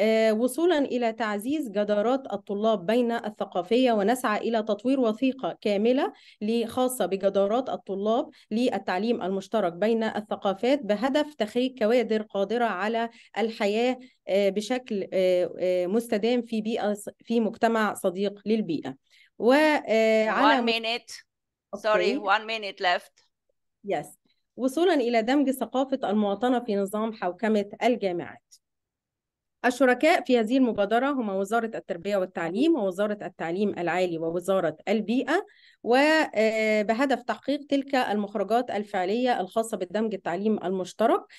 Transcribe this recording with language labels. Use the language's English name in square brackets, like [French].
[Arabic] وصولاً إلى تعزيز جدارات الطلاب بين الثقافية، ونسعى إلى تطوير وثيقة كاملة خاصة بجدارات الطلاب للتعليم المشترك بين الثقافات بهدف تخريج كوادر قادرة على الحياة بشكل مستدام في بيئة، في مجتمع صديق للبيئة. وعلى [English] one minute. Sorry, one minute left. Yes. [Arabic] وصولاً إلى دمج ثقافة المواطنة في نظام حوكمة الجامعات. الشركاء في هذه المبادرة هما وزارة التربية والتعليم ووزارة التعليم العالي ووزارة البيئة، وبهدف تحقيق تلك المخرجات الفعلية الخاصة بالدمج التعليم المشترك